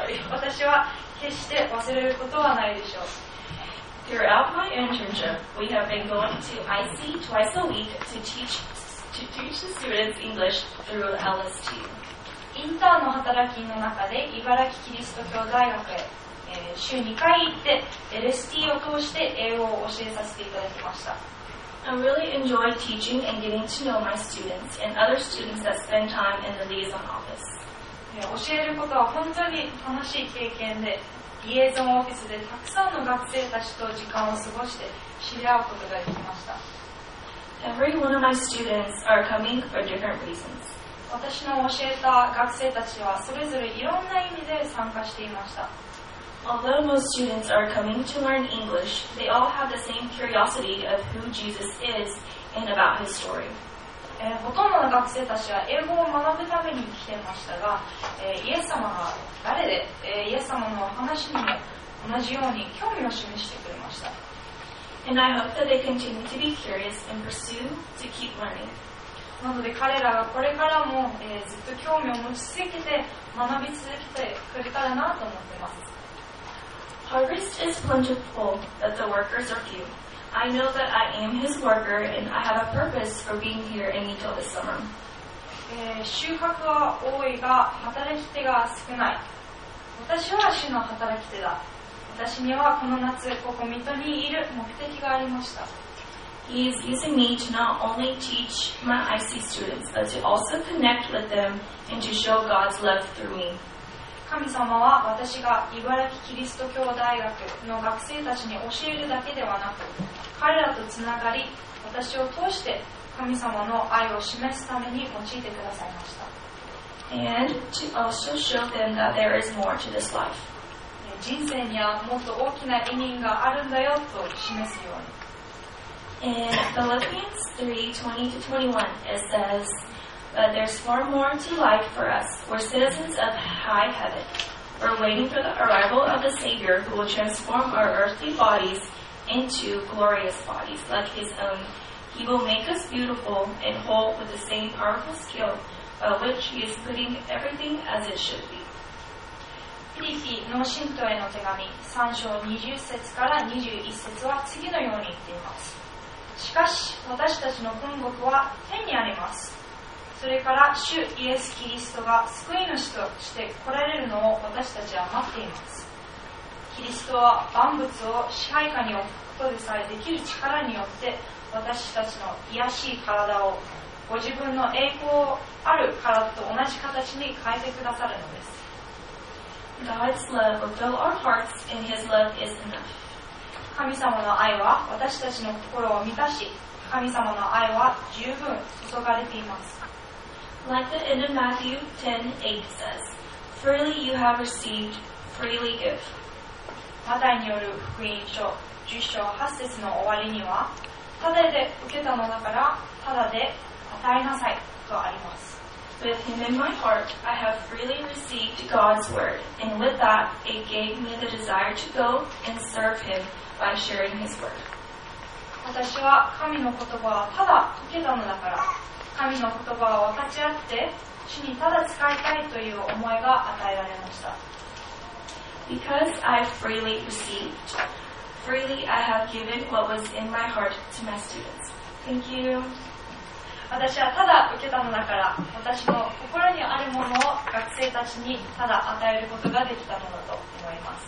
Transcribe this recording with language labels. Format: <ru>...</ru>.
<ja>私は決して忘れることはないでしょう。</ja> <en>Throughout my internship, we have been going to IC twice a week to teach the students English through LST.</en> <ja>インターンの働きの中で茨城キリスト教大学へ、週2回行って LST を通して英語を教えさせていただきました。</ja> <en>I really enjoy teaching and getting to know my students and other students that spend time in the liaison office.</en> <ja>教えることは本当に楽しい経験で、リエゾンオフィスでたくさんの学生たちと時間を過ごして知り合うことができました。</ja> <en>Every one of my students are coming for different reasons.</en> <ja>私の教えた学生たちはそれぞれいろんな意味で参加していました。</ja> <en>Although most students are coming to learn English, they all have the same curiosity of who Jesus is and about his story.</en> <ja>ほとんどの学生たちは英語を学ぶために来ていましたが、イエス様は誰で、イエス様の話にも同じように興味を示してくれました。</ja> <en>And I hope that they continue to be curious and pursue to keep learning.</en> <ja>なので彼らがこれからも、ずっと興味を持ち続けて学び続けてくれたらなと思っています。</ja> <en>Harvest is plentiful, but the workers are few. I know that I am his worker and I have a purpose for being here in Mito this summer.</en> <ja>収穫は多いが働き手が少ない。私は主の働き手だ。私にはこの夏ここ水戸にいる目的がありました。</ja> <en>He is using me to not only teach my IC students, but to also connect with them and to show God's love through me.</en> <ja>神様は私が茨城キリスト教大学の学生たちに教えるだけではなく、彼らとつながり、私を通して神様の愛を示すために用いてくださいました。</ja> <en>And to also show them that there is more to this life.</en> <ja>人生にはもっと大きな意味があるんだよと示すように。</ja> <en>In Philippians 3:20-21, it says,But there's far more to life for us. We're citizens of high heaven. We're waiting for the arrival of the Savior who will transform our earthly bodies into glorious bodies like His own. He will make us beautiful and whole with the same powerful skill by which He is putting everything as it should be.</en> <ja>フィリピの信徒への手紙3章20節から21節は次のように言っています。しかし、私たちの本国は天にあります。それから主イエス・キリストが救い主として来られるのを私たちは待っています。キリストは万物を支配下に置くことでさえできる力によって私たちの卑しい体をご自分の栄光ある体と同じ形に変えてくださるのです。</ja> <en>God's love will fill our hearts and His love is enough.</en> <ja>神様の愛は私たちの心を満たし、神様の愛は十分注がれています。</ja> <en>Like the end of Matthew 10:8 says, Freely you have received, freely give.</en> <ja>マタイによる福音書10章8節の終わりには、ただで受けたのだから、ただで与えなさいとあります。</ja> <en>With him in my heart, I have freely received God's word, and with that, it gave me the desire to go and serve him by sharing his word.</en> <ja>私は神の言葉はただ受けたのだから、神の言葉を分かち合って主にただ使いたいという思いが与えられました。</ja> <en>Because I freely received, freely I have given what was in my heart to my students. Thank you.</en> <ja>私はただ受けたのだから、私の心にあるものを学生たちにただ与えることができたのだと思います。</ja>